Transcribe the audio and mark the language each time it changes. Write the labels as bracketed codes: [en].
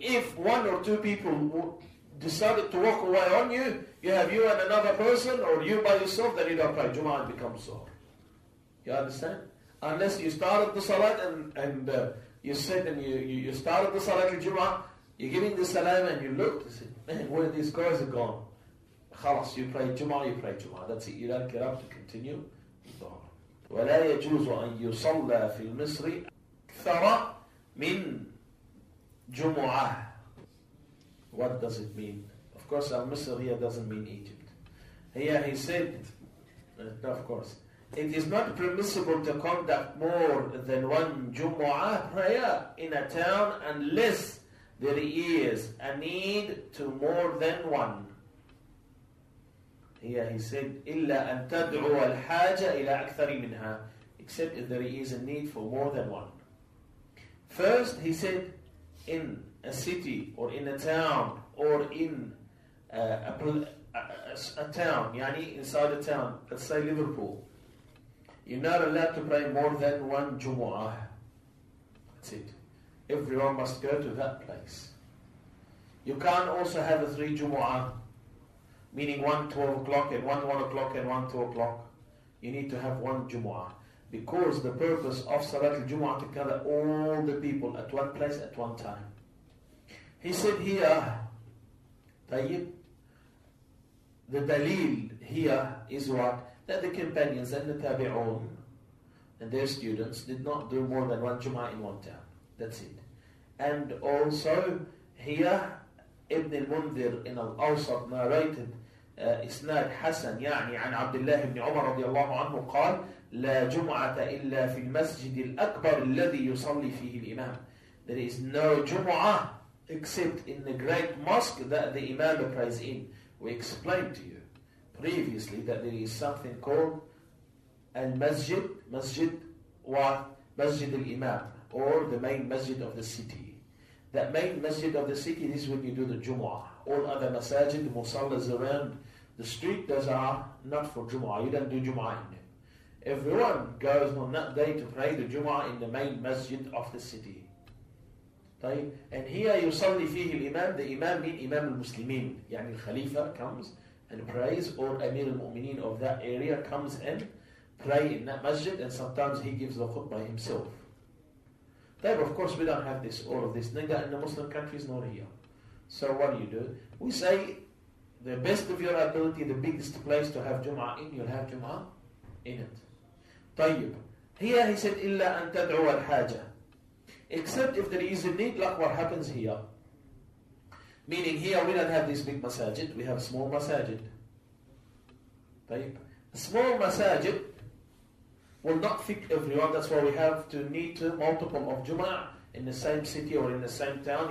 [en] If one or two people decided to walk away on you, you have you and another person, or you by yourself, then you don't pray jumu'ah and become sore. You understand? Unless you started the salat and you started the salat al-jumu'ah, you're giving the salam and you look, you say, man, where are these guys are gone? خلاص, you pray Jum'ah. That's it. You don't get up to continue. [ar] ولا يجوز أن يصلى في مصر أكثر من جمعة. [en] What does it mean? Of course, Al-Misr here doesn't mean Egypt. Here he said, of course, it is not permissible to conduct more than one Jum'ah prayer in a town unless there is a need to more than one. Here he said, [ar] إِلَّا أَن تَدْعُوَ الْحَاجَ إِلَى أَكْثَرِ مِنْهَا. [en] Except if there is a need for more than one. First, he said, in a city or in a town or in a town, yani inside a town, let's say Liverpool, you're not allowed to pray more than one Jumu'ah. That's it. Everyone must go to that place. You can't also have a three Jumu'ah, meaning 1 12 o'clock and 1 1 o'clock and 1 2 o'clock. You need to have one Jumu'ah. Because the purpose of Salat al-Jumu'ah to gather all the people at one place at one time. He said here, طيب, the dalil here is what? That the companions and the tabi'un and their students did not do more than one Jumu'ah in one town. That's it. And also here, [ar] Ibn al-Mundhir in al-Awsat [en] narrated [ar] إسناد حسن يعني عن عبد الله بن عمر رضي الله عنه قال لا جمعة إلا في المسجد الأكبر الذي يصلي فيه الإمام. [en] There is no Jum'ah except in the great mosque that the Imam prays in. We explained to you previously that there is something called المسجد, [ar] مسجد و مسجد الإمام, [en] or the main masjid of the city. That main masjid of the city, this is when you do the Jum'ah. All other masajid, the musallas around the street, those are not for Jum'ah. You don't do Jum'ah in them. Everyone goes on that day to pray the Jum'ah in the main masjid of the city. Okay? And here you yusalli fihi al-imam, the imam mean imam al-muslimin. Yani al-khalifa comes and prays, or amir al-mu'mineen of that area comes and pray in that masjid, and sometimes he gives the khutbah himself. Then of course we don't have this, all of this neither in the Muslim countries nor here. So what do? We say the best of your ability, the biggest place to have Jum'ah in, you'll have Jum'ah in it. [ar] طيب. [en] Here he said, [ar] إِلَّا أَن تَدْعُوَ الْحَاجَ. [en] Except if there is a need, like what happens here. Meaning here we don't have this big masajid, we have small masajid. [ar] طيب. [en] Small masajid will not fit everyone. That's why we have to need to multiple of Jum'ah in the same city or in the same town.